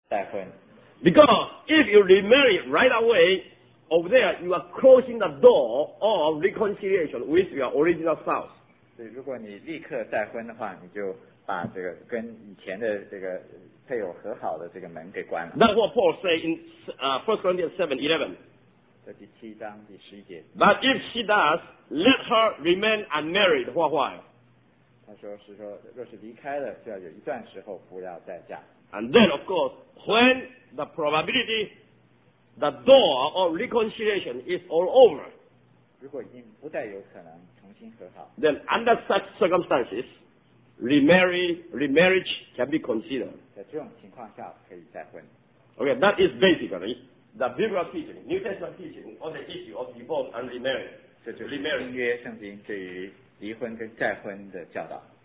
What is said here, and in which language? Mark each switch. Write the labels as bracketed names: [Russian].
[English] Because if you remarry right away, over there you are closing the door of reconciliation with your original spouse. [Chinese] 对，如果你立刻再婚的话，你就把这个跟以前的这个配偶和好的这个门给关了。 [English] That's what Paul say in First Corinthians 7:11. [Chinese] 这第七章第十一节。 [English] But if she does, let her remain unmarried. Why? [Chinese] 他说是说，若是离开了，就要有一段时候不要再嫁。 [English] And then of course, when the probability, the door of reconciliation is all over. [Chinese] 如果已经不再有可能。 [English] Then under such circumstances, remarriage can be considered. [Chinese] 在这种情况下可以再婚。 [English] Okay, that is basically the biblical teaching, New Testament teaching on the issue of divorce and remarriage. [Chinese] 这就是新约圣经对于离婚跟再婚的教导。